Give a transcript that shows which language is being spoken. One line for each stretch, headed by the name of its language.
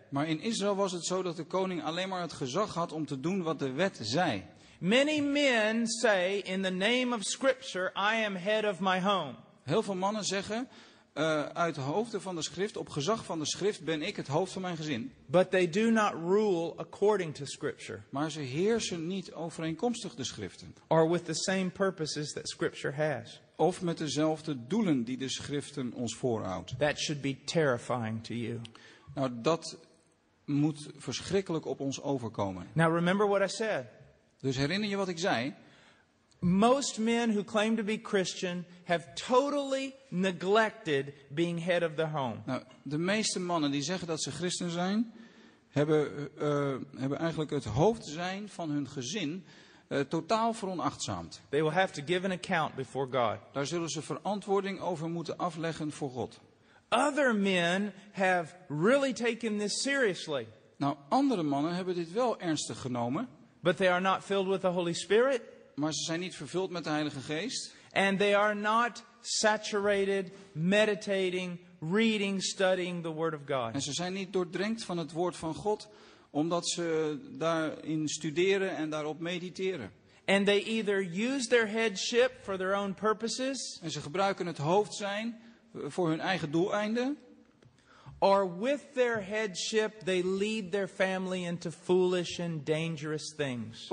Dutch: Maar in Israël was het zo dat de koning alleen maar het gezag had om te doen wat de wet zei.
English: Many men say, in the name of Scripture, I am head of my home.
Dutch: Heel veel mannen zeggen, uit hoofden van de schrift, op gezag van de schrift, ben ik het hoofd van mijn gezin.
English: But they do not rule according to scripture.
Dutch: Maar ze heersen niet overeenkomstig de schriften.
English: Or with the same purposes that scripture has.
Dutch: Of met dezelfde doelen die de schriften ons voorhoudt.
English: That should be terrifying to you.
Dutch: Nou, dat moet verschrikkelijk op ons overkomen.
English: Now remember what I said.
Dutch: Dus herinner je wat ik zei?
English: Most men who claim to be Christian have totally neglected being head of their home.
Dutch: Nou, de meeste mannen die zeggen dat ze christen zijn, hebben eigenlijk het hoofd zijn van hun gezin totaal veronachtzaamd.
English: They will have to give an account before God.
Dutch: Daar zullen ze verantwoording over moeten afleggen voor God.
English: Other men have really taken this seriously.
Dutch: Nou, andere mannen hebben dit wel ernstig genomen.
English: But they are not filled with the Holy Spirit.
Dutch: Maar ze zijn niet vervuld met de Heilige Geest.
English: And they are not saturated, meditating, reading, studying the Word of God.
Dutch: En ze zijn niet doordrenkt van het Woord van God, omdat ze daarin studeren en daarop mediteren.
English: And they either use their headship for their own purposes.
Dutch: En ze gebruiken het hoofd zijn voor hun eigen doeleinden.
English: Or with their headship they lead their family into foolish and dangerous things.